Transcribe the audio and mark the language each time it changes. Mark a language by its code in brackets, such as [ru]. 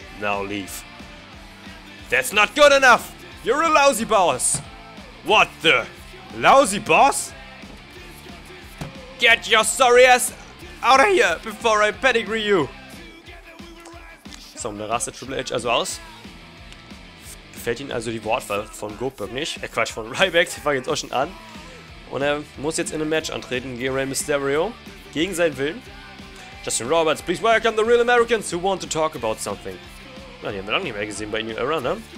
[en] Now leave. That's not good enough. You're a lousy boss. What the? Lousy boss? Get your sorry ass out of here before I pedigree you. [de] So, und da rastet Triple H also aus. Gefällt ihm also die Wortwahl von Goldberg nicht. Quatsch, von Ryback, der fängt jetzt auch schon an. Und er muss jetzt in einem Match antreten gegen Rey Mysterio. Gegen seinen Willen. [en] Justin Roberts, please welcome the real Americans who want to talk about something. [de] Na, die haben wir lange nicht mehr gesehen bei New Era, ne?